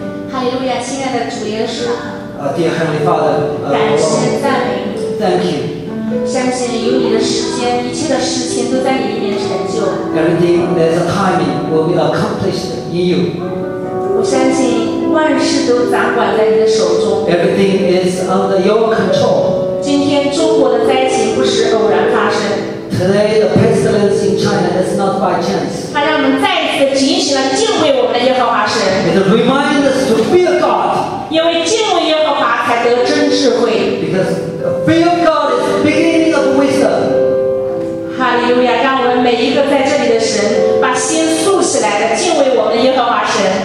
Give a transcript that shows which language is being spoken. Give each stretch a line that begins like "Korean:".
Chinese: 哈利路亚，亲爱的主耶稣。
English: Dear Heavenly Father，
Chinese: 感谢赞美。
English: Thank you。
Chinese: 相信有你的时间，一切的事情都在你里面成就。
English: Everything there's a timing will be accomplished in you。
Chinese: 我相信万事都掌管在你的手中。
English: Everything is under your control。
Chinese: 今天中国的灾情不是偶然发生。
English: Today the pestilence in China is not by chance.
Chinese: 它让我们再一次的警醒了，敬畏我们的耶和华神。
English: It reminds us to fear God.
Chinese: 因为敬畏耶和华才得真智慧。
English: Because fear God is the beginning of wisdom.
Chinese: 哈利路亚，让我们每一个在这里的神，把心竖起来的敬畏我们的耶和华神。